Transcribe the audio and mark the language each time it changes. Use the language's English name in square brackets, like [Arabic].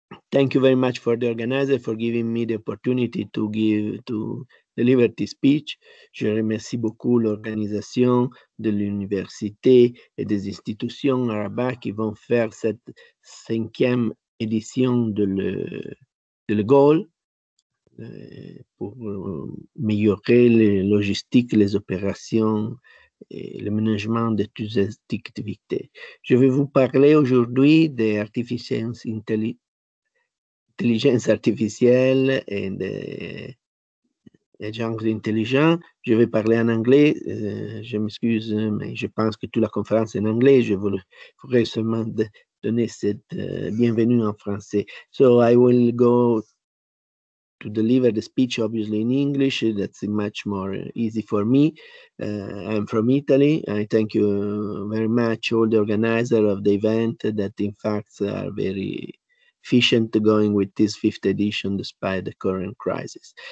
[English] Thank you very much for the organizer for giving me the opportunity to deliver this speech. [French] Je remercie beaucoup l'organisation de l'université et des institutions arabes qui vont faire cette cinquième édition de le GOL. Pour améliorer les logistiques, les opérations et le management de toutes ces activités. Je vais vous parler aujourd'hui des intelligence artificielle et des gens intelligents. Je vais parler en anglais. Je m'excuse, mais je pense que toute la conférence est en anglais. Je voudrais seulement donner cette bienvenue en français. [English] So I will go to deliver the speech, obviously in English, that's much more easy for me. I'm from Italy. I thank you very much, all the organizers of the event, that in fact are very efficient going with this fifth edition despite the current crisis.